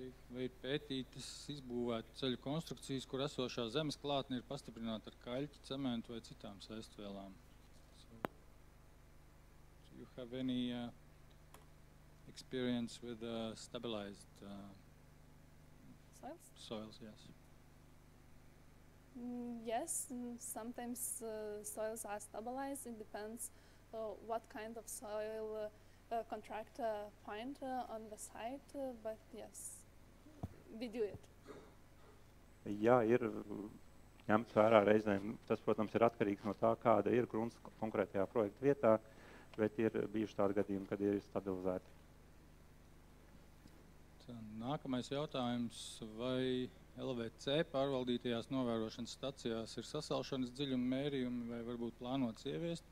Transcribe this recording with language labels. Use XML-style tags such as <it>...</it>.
<lv>Vai pētītas izbūvētu ceļu konstrukcijas, kur esošā zemes klātne ir pastiprināta ar kaļķi, cementu vai citām saistvielām?</lv> <en>So, do you have any experience with stabilized soils? Soils, yes. Yes, sometimes soils are stabilized. It depends what kind of soil contractor find on the site, but yes, we do it.</en> <lv>Jā, ir ņemts vērā reizēm. Tas, protams, ir atkarīgs no tā, kāda ir grunts konkrētajā projekta vietā, bet ir bijuši tādi gadījumi, kad ir stabilizēti. Nākamais jautājums, vai LVC pārvaldītajās novērošanas stacijās ir sasalšanas dziļuma mērījumi vai varbūt plānots ieviest?</lv>